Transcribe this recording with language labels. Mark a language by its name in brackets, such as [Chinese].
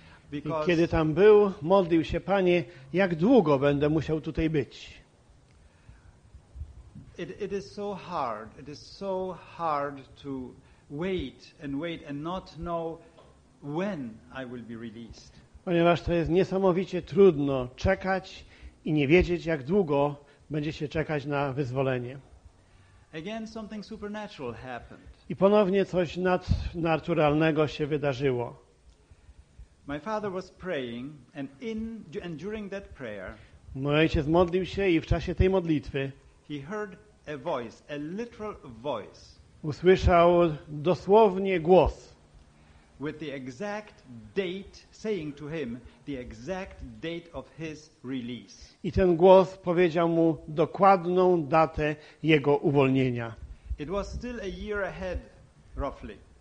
[English] Because [Polish] kiedy tam był, modlił się: "Panie, jak długo będę musiał tutaj być?" [English] It is so hard. It is so hard to wait and not know when I will be released. [Polish] Ponieważ to jest niesamowicie trudno czekać i nie wiedzieć, jak długo będzie się czekać na wyzwolenie. [English] Again, something supernatural happened. [Polish] I ponownie coś nadnaturalnego się wydarzyło. [English] My father was praying and during that prayer, [Polish] mój ojciec modlił się i w czasie tej modlitwy [English] he heard a voice, a literal voice, [Polish] usłyszał dosłownie głos. [English] With the exact date, saying to him the exact date of his release. [Polish] I ten głos powiedział mu dokładną datę jego uwolnienia. [English] It was still a year ahead, roughly.